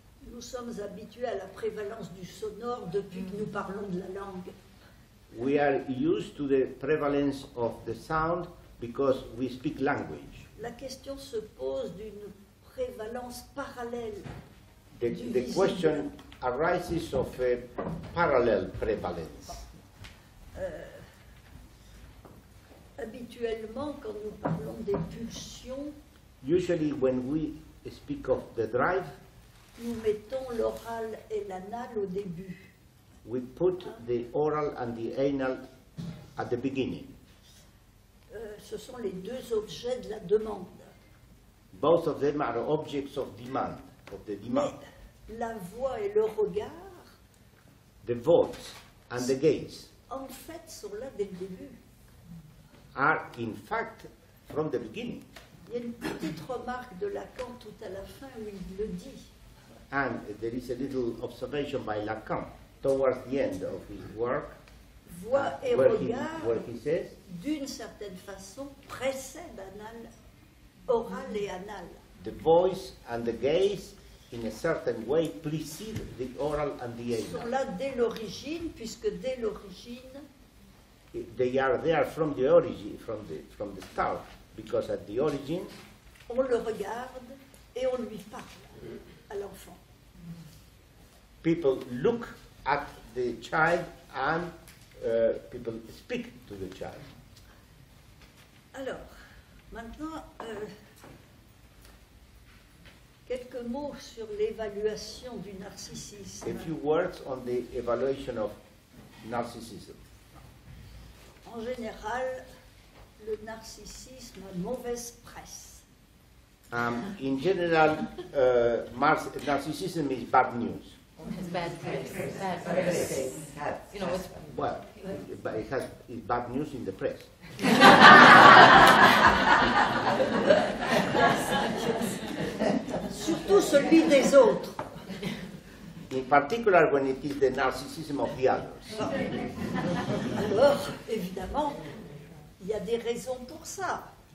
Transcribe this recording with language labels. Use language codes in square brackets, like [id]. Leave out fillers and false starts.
[fr] Nous sommes habitués à la prévalence du sonore depuis que nous parlons de la langue. [en] We are used to the prevalence of the sound because we speak language. [fr] La question se pose d'une prévalence parallèle. [en] The question arises of a parallel prevalence. [fr] Habituellement, quand nous parlons des pulsions, [en] usually when we speak of the drive, [fr] nous mettons l'oral et l'anal au début. [en] We put the oral and the anal at the beginning. [fr] Ce sont les deux objets de la demande. [en] Both of them are objects of demand, of the demand. [fr] Mais la voix et le regard, [en] the voice and the gaze, [fr] en fait, sont là dès le début. [en] Are in fact from the beginning. [fr] Il y a une petite remarque de Lacan tout à la fin où il le dit. [en] And there is a little observation by Lacan towards the end of his work, [fr] voix et [en] where, [fr] regard, [en] he says, [fr] d'une certaine façon, précède anal, oral et anal. [en] The voice and the gaze, in a certain way, precede the oral and the anal. [fr] Ils sont là dès l'origine, puisque dès l'origine, [en] they are there from the origin, from the start, because at the origin, [fr] on le regarde et on lui parle. À l'enfant. [en] People look at the child and people speak to the child. [fr] Alors, maintenant, quelques mots sur l'évaluation du narcissisme. [en] A few words on the evaluation of narcissism. [fr] En général, le narcissisme a mauvaise presse. [en] In general, narcissism is bad news. It's bad press. Bad press. Well, but it has it's bad news in the press. [fr] Surtout celui des autres. [en] In particular, when it is the narcissism of the others. [fr] Alors, évidemment, il y a des raisons pour ça.